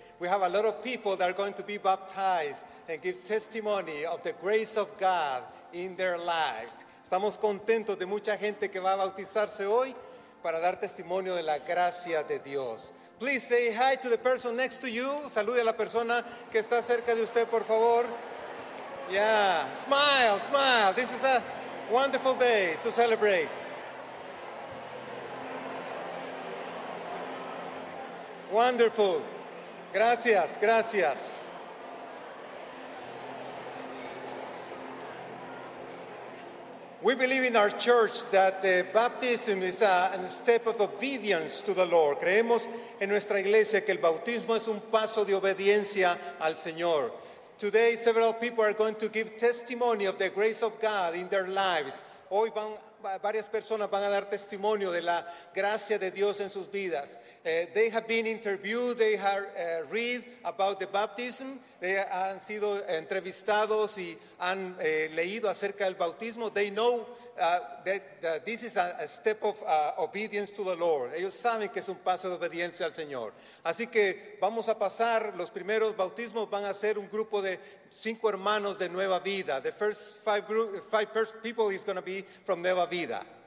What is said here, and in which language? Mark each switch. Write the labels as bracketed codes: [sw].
[en] We have a lot of people that are going to be baptized and give testimony of the grace of God in their lives. [es] Estamos contentos de mucha gente que va a bautizarse hoy para dar testimonio de la gracia de Dios. [en] Please say hi to the person next to you. [es] Salude a la persona que está cerca de usted, por favor. [en] Yeah, smile, smile. This is a wonderful day to celebrate. [es] Wonderful. Gracias, gracias. [en] We believe in our church that the baptism is a step of obedience to the Lord. [es] Creemos en nuestra iglesia que el bautismo es un paso de obediencia al Señor. [en] Today, several people are going to give testimony of the grace of God in their lives. [es] Hoy van, varias personas van a dar testimonio de la gracia de Dios en sus vidas. [en] They have been interviewed, they have read about the baptism. [es] They han sido entrevistados y han leído acerca del bautismo. [en] They know that this is a step of obedience to the Lord. [es] Ellos saben que es un paso de obediencia al Señor. Así que vamos a pasar, los primeros bautismos van a ser un grupo de cinco hermanos de Nueva Vida. [en] The first five people is going to be from Nueva Vida.